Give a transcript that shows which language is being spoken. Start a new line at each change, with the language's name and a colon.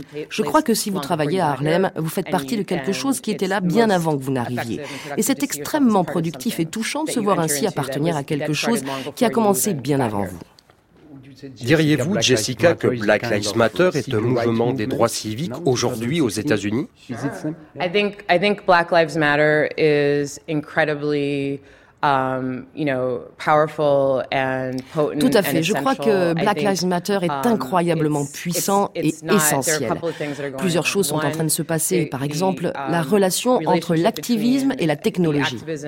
French: Je crois que si vous travaillez à Harlem, vous faites partie de quelque chose qui était là bien avant que vous n'arriviez. Et c'est extrêmement productif et touchant de se voir ainsi appartenir à quelque chose qui a commencé bien avant vous. Diriez-vous, Jessica, que Black Lives Matter est un mouvement des droits civiques aujourd'hui aux États-Unis?
English: I think Black Lives Matter is incredibly powerful and potent.
French: Tout à fait. Je crois que Black Lives Matter est incroyablement puissant et essentiel. Plusieurs choses sont en train de se passer. Par exemple, la relation entre l'activisme et la technologie.